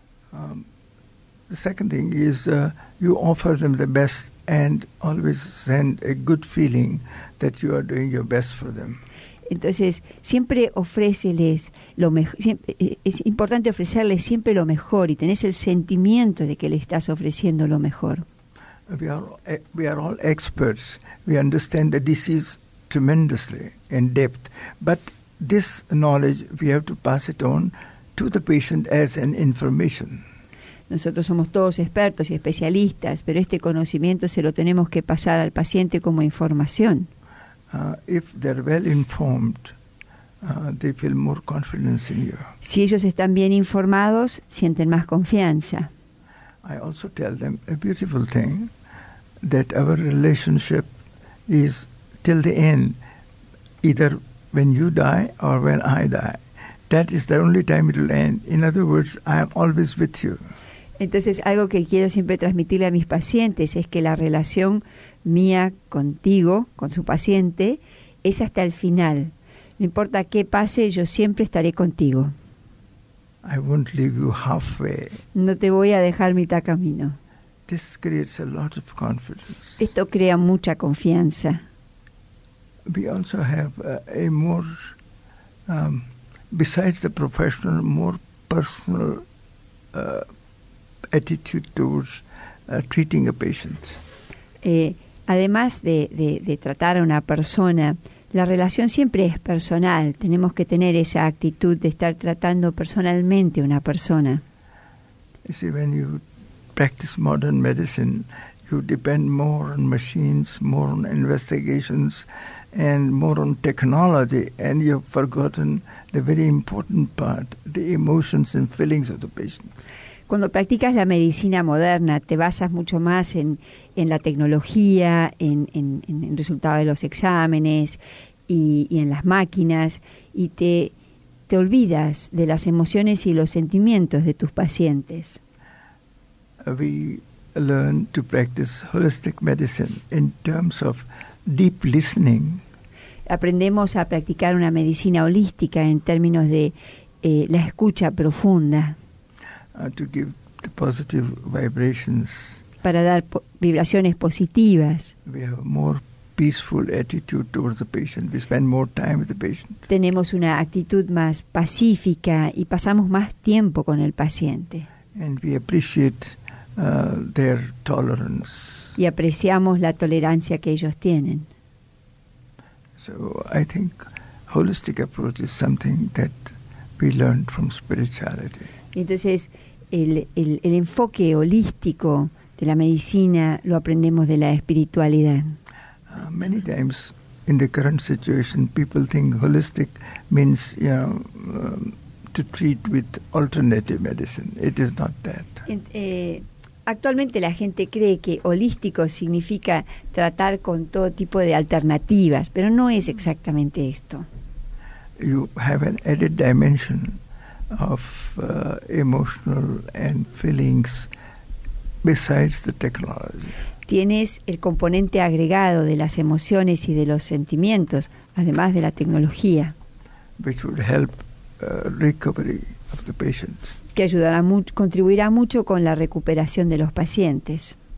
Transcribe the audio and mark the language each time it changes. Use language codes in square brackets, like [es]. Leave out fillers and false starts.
[en] The second thing is you offer them the best and always send a good feeling that you are doing your best for them. [es] Entonces, siempre ofréceles lo mejor. Es importante ofrecerles siempre lo mejor y tenés el sentimiento de que le estás ofreciendo lo mejor. [en] We are all experts. We understand the disease tremendously in depth. But this knowledge, we have to pass it on to the patient as an information. [es] Nosotros somos todos expertos y especialistas, pero este conocimiento se lo tenemos que pasar al paciente como información. [en] If they're well informed, they feel more confidence in you. [es] Si ellos están bien informados, sienten más confianza. [en] I also tell them a beautiful thing, that our relationship is till the end, either when you die or when I die. That is the only time it will end. In other words, I am always with you. [es] Entonces, algo que quiero siempre transmitirle a mis pacientes es que la relación mía contigo, con su paciente, es hasta el final. No importa qué pase, yo siempre estaré contigo. [en] I won't leave you halfway. [es] No te voy a dejar mitad camino. [en] This creates a lot of confidence. [es] Esto crea mucha confianza. [en] We also have a more, besides the professional, more personal attitude towards treating a patient. [es] Además de tratar a una persona, la relación siempre es personal. Tenemos que tener esa actitud de estar tratando personalmente a una persona. [en] You see, when you practice modern medicine, you depend more on machines, more on investigations, and more on technology, and you've forgotten the very important part, the emotions and feelings of the patient. [es] Cuando practicas la medicina moderna, te basas mucho más en la tecnología, en el resultado de los exámenes y en las máquinas, y te olvidas de las emociones y los sentimientos de tus pacientes. [en] We learn to practice holistic medicine in terms of deep listening. [es] Aprendemos a practicar una medicina holística en términos de la escucha profunda. [en] To give the positive vibrations. [es] Para dar vibraciones positivas. [en] We have a more peaceful attitude towards the patient. We spend more time with the patient. [es] Tenemos una actitud más pacífica y pasamos más tiempo con el paciente. [en] And we appreciate their tolerance. [es] Y apreciamos la tolerancia que ellos tienen. [en] So I think holistic approach is something that we learned from spirituality. [es] Entonces, el enfoque holístico de la medicina lo aprendemos de la espiritualidad. [en] Many times in the current situation, people think holistic means, you know, to treat with alternative medicine. It is not that. [es] Actualmente la gente cree que holístico significa tratar con todo tipo de alternativas, pero no es exactamente esto. [en] You have an added dimension of emotional and feelings besides the technology. [es] Tienes el componente agregado de las emociones y de los sentimientos, además de la tecnología. [en] Which would help recovery of the patients. [es] Que ayudará mucho, contribuirá mucho con la recuperación de los pacientes.